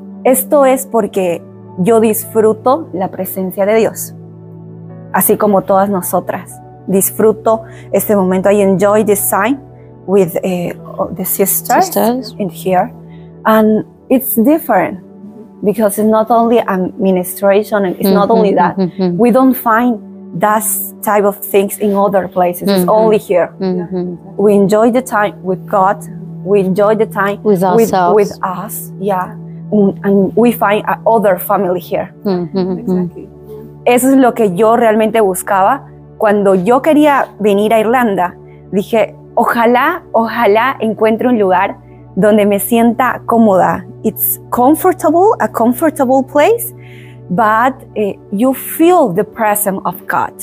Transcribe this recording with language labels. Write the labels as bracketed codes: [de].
[es] Esto es porque yo disfruto la presencia de Dios, así como todas nosotras. Disfruto este momento. [en] I enjoy this time with the sisters in here. And it's different. Because it's not only administration, it's not only that. We don't find that type of things in other places. It's only here. We enjoy the time with God. We enjoy the time with us. Yeah. And we find other family here. Exactly. [es] Eso es lo que yo realmente buscaba. Cuando yo quería venir a Irlanda, dije, ojalá encuentre un lugar donde me sienta cómoda. [en] It's comfortable, a comfortable place, but you feel the presence of God.